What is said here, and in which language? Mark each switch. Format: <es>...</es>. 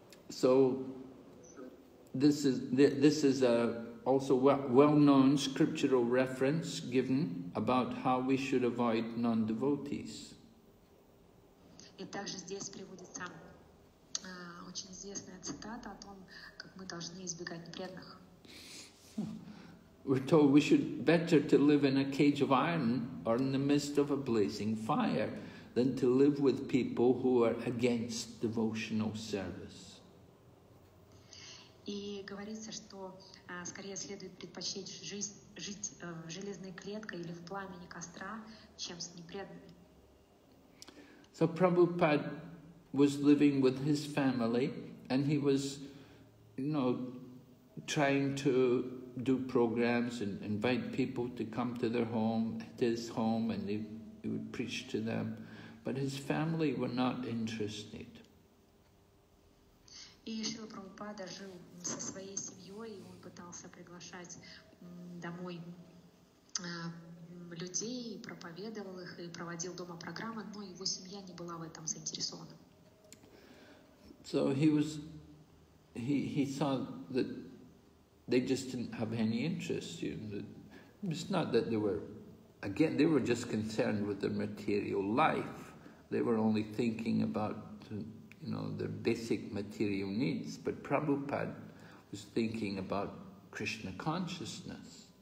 <en>So, This is a also well-known scriptural reference given about how we should avoid non-devotees.</en> <ru>И также здесь приводится очень известная цитата о том, как мы должны избегать непреданных.</ru> <en>We're told we should better to live in a cage of iron or in the midst of a blazing fire than to live with people who are against devotional service.</en> <ru>И говорится, что скорее следует предпочесть жить в железной клетке или в пламени костра, чем с непреданными.</ru> <en>So Prabhupada was living with his family, and he was, you know, trying to do programs and invite people to come to their home, his home, and he would preach to them, but his family were not interested.</en> <ru>И Шрила Прабхупада жил со своей семьей, и он пытался приглашать домой людей, проповедовал их и проводил дома программы, но его семья не была в этом заинтересована.</ru> <en>So he saw that they just didn't have any interest. It's not that they were again, they were just concerned with their material life. They were only thinking about their basic material needs, but Prabhupada was thinking about Krishna consciousness.</en>